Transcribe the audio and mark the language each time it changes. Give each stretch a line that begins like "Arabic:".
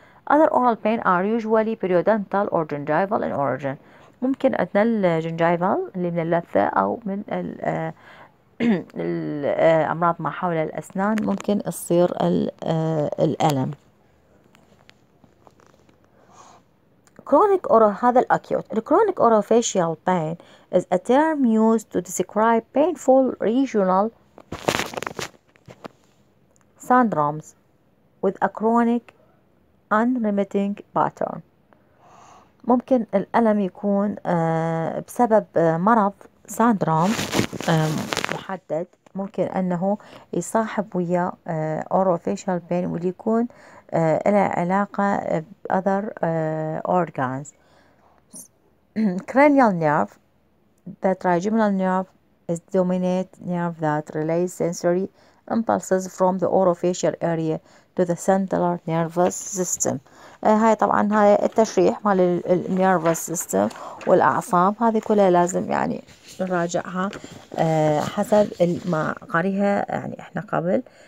English: Other oral pain are usually periodontal or gingival in origin.
Arabic: ممكن عندنا الجنجايفال اللي من اللثة أو من الأمراض ما حول الأسنان ممكن تصير الألم.
English: Chronic or
Arabic: هذا الأكيوت.
English: The chronic orofacial pain is a term used to describe painful regional syndromes with a chronic unremitting pattern.
Arabic: ممكن الألم يكون بسبب مرض ساندروم محدد، ممكن أنه يصاحب ويا orofacial pain واللي يكون إلها علاقة بأذر أورجانز.
English: Cranial nerve, the trigeminal nerve, is the dominant nerve that relays sensory impulses from the orofacial area to the central nervous system.
Arabic: هاي طبعا هاي التشريح مال النيرفس سيستم والأعصاب، هذه كلها لازم يعني نراجعها حسب ما قريها يعني احنا قبل.